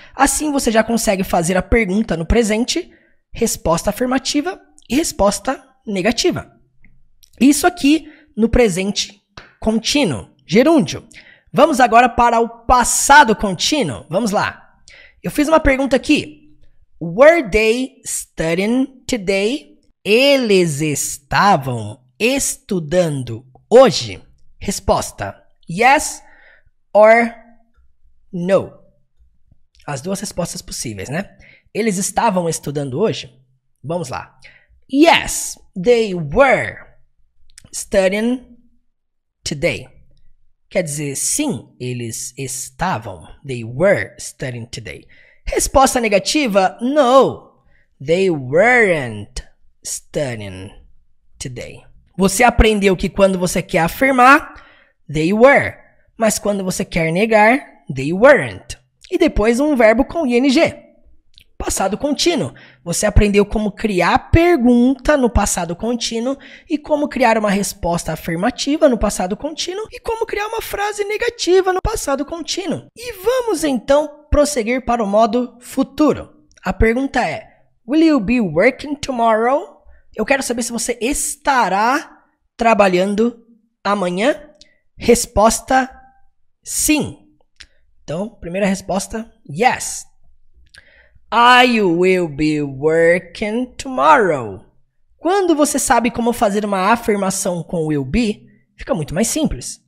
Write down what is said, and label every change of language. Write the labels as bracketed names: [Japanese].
[Portuguese] Assim você já consegue fazer a pergunta no presente, resposta afirmativa e resposta negativa. Isso aqui no presente contínuo, gerúndio. Vamos agora para o passado contínuo, vamos lá. Eu fiz uma pergunta aqui. [English] Were they studying today? [Portuguese] Eles estavam estudando hoje? Resposta. [English] Yes or no. [Portuguese] As duas respostas possíveis, né? Eles estavam estudando hoje? Vamos lá. [English] Yes, they were studying today. [Portuguese] Quer dizer, sim, eles estavam. [English] They were studying today. [Portuguese] Resposta negativa, [English] no, they weren't studying today. [Portuguese] Você aprendeu que quando você quer afirmar, [English] they were. [Portuguese] Mas quando você quer negar, [English] they weren't. [Portuguese] E depois um verbo com ing. Passado contínuo. Você aprendeu como criar pergunta no passado contínuo e como criar uma resposta afirmativa no passado contínuo e como criar uma frase negativa no passado contínuo. E vamos então prosseguir para o modo futuro. A pergunta é, [English] Will you be working tomorrow? [Portuguese] Eu quero saber se você estará trabalhando amanhã. Resposta, sim. Então, primeira resposta, yes. [English] I will be working tomorrow. [Portuguese] Quando você sabe como fazer uma afirmação com will be, fica muito mais simples.